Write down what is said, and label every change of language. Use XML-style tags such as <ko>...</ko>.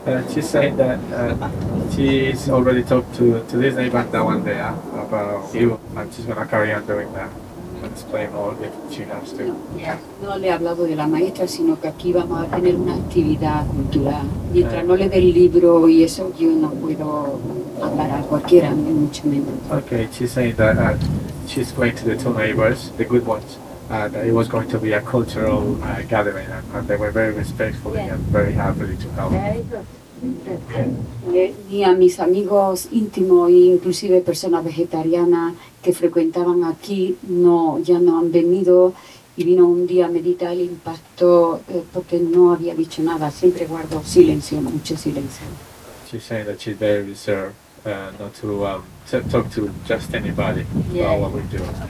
<en>She said that she's already talked to this neighbor that one there about you, and she's gonna carry on doing that.</en> <es>No, yeah. No le he hablado de la maestra, sino que aquí vamos a tener una actividad cultural. Mientras no le dé el libro y eso, yo no puedo hablar a cualquiera, ni mucho menos.</es> <en>Okay, she said that she's going to the two neighbors, the good ones, that it was going to be a cultural gathering, and they were very respectful and very happy to help.</en> <es>Y a mis amigos íntimos e inclusive personas vegetarianas que frecuentaban aquí no, ya no han venido y vino un día a meditar el impacto porque no había dicho nada, siempre guardo silencio, mucho silencio.</es> <en>She said that she's very reserved, not to, to talk to just anybody about what we do.</en>